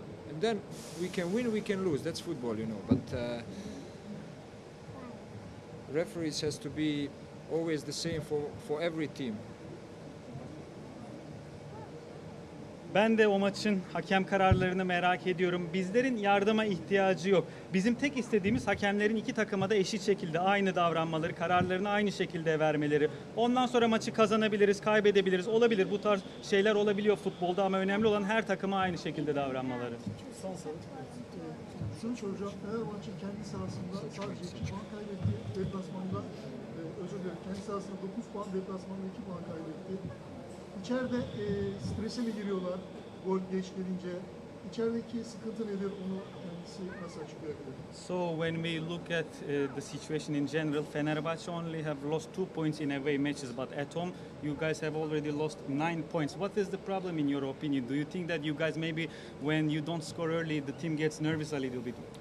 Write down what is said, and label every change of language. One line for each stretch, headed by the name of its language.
English: And then we can win, we can lose. That's football, you know. But referees has to be always the same for every team.
Turkish: Ben de o maçın hakem kararlarını merak ediyorum. Bizlerin yardıma ihtiyacı yok. Bizim tek istediğimiz hakemlerin iki takıma da eşit şekilde aynı davranmaları, kararlarını aynı şekilde vermeleri. Ondan sonra maçı kazanabiliriz, kaybedebiliriz. Olabilir, bu tarz şeyler olabiliyor futbolda ama önemli olan her takıma aynı şekilde davranmaları. Sonuç olarak Fenerbahçe kendi sahasında sadece 2 puan kaybetti. Deplasmanda özür dilerim, kendi sahasında 9 puan, deplasmanda 2 puan kaybetti. İçeride strese mi giriyorlar gol geç gelince? İçerideki sıkıntı nedir, onu kendisi nasıl açıklayabilir?
English: So when we look at the situation in general, Fenerbahçe only have lost 2 points in away matches, but at home you guys have already lost 9 points. What is the problem in your opinion? Do you think that you guys maybe when you don't score early, the team gets nervous a little bit?